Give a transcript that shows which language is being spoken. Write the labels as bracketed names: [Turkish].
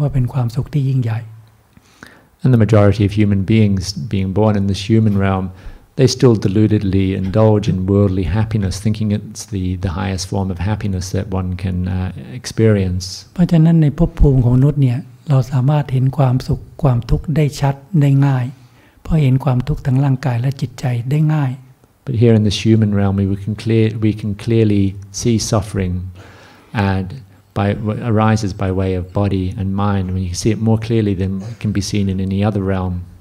[Thai] ขนาดคนทั้งหลายเป็นจำนวนมากมาเกิดในภพภูมิของมนุษย์เนี่ยก็ยังมีความหลงเพลิดเพลินในภพในชาติหลงกับความสุขอันเล็กๆน้อยๆว่าเป็นความสุขที่ยิ่งใหญ่ [English] And the majority of human beings being born in this human realm, they still deludedly indulge in worldly happiness, thinking it's the highest form of happiness that one can experience. [Thai] เพราะฉะนั้นในภพภูมิของมนุษย์เนี่ยเราสามารถเห็นความสุขความทุกข์ได้ชัดได้ง่ายเพราะเห็นความทุกข์ทั้งร่างกายและจิตใจได้ง่าย [English] But here in this human realm, we can clearly see suffering and arises by way of body and mind. When you see it more clearly than can be seen in any other realm.